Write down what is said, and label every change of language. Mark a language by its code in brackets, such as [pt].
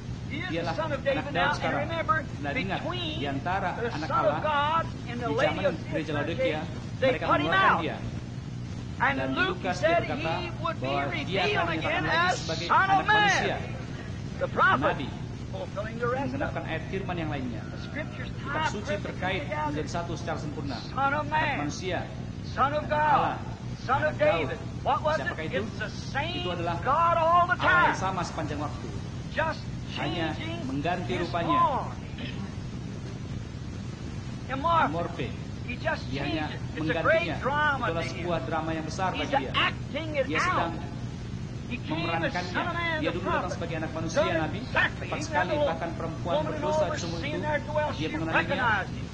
[en] He is the Son of David now, and remember, between the Son of God and the Lady of the Church, they cut him out. And Luke said he would be revealed again as Son of Man, the prophet, fulfilling the rest of [id] ayat firman yang lainnya. Kitab suci terkait menjadi satu secara sempurna. [en] Son of Man, [id] manusia, [en] Son of God, [id] Allah, [en] Son of David. What was it? [id] Itu? [en] It's the same God all the time. [id] Allah sama sepanjang waktu. [en] Just [id] hanya mengganti rupanya. [en] Amorphe. He just changed. It's a great drama. [id] Itu sebuah drama yang besar bagi dia. Dia sedang memerankannya. Dia dulu datang sebagai anak manusia, Nabi. Tepat sekali, bahkan perempuan berdosa di sumur itu, dia mengenalinya.